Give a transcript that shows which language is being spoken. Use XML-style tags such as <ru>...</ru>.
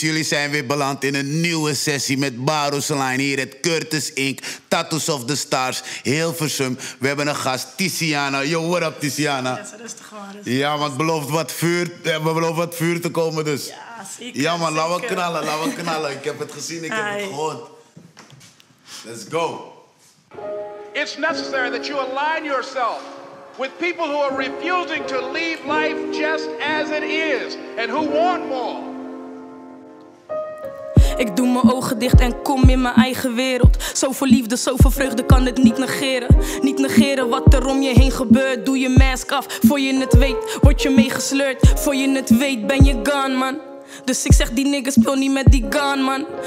<nl>Jullie zijn weer beland in een nieuwe sessie met Baruslijn hier at Curtis Inc. Tattoos of the Stars, Hilversum. We hebben een gast, Tiziana.</nl> <en>Yo, what up, Tiziana?</en> <nl>Ja, man, we beloven wat vuur te komen, dus. Ja, zeker. Ja, man, laten we knallen. Ik heb het gezien, ik heb het gehoord.</nl> <en>Let's go. It's necessary that you align yourself with people who are refusing to leave life just as it is and who want more.</en> <nl>Ik doe mijn ogen dicht en kom in mijn eigen wereld. Zoveel liefde, zoveel vreugde kan het niet negeren. Niet negeren wat er om je heen gebeurt. Doe je mask af, voor je het weet, word je meegesleurd. Voor je het weet, ben je gone, man. Dus ik zeg die nigger, speel niet met die gun, man.</nl>